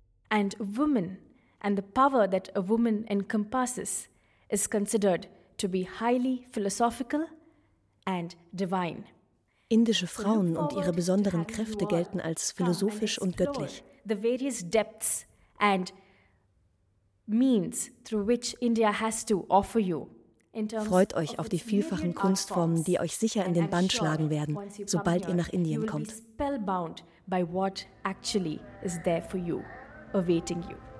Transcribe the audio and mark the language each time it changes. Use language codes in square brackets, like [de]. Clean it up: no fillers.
[en] And woman and the power that a woman encompasses is considered to be highly philosophical and divine. [de] Indische Frauen und ihre besonderen Kräfte gelten als philosophisch und göttlich. [en] The various depths and means through which India has to offer you. [de] Freut euch auf die vielfachen Kunstformen, die euch sicher in den Bann schlagen werden, sobald ihr nach Indien kommt. [en] Spellbound by what actually is there for you, awaiting you.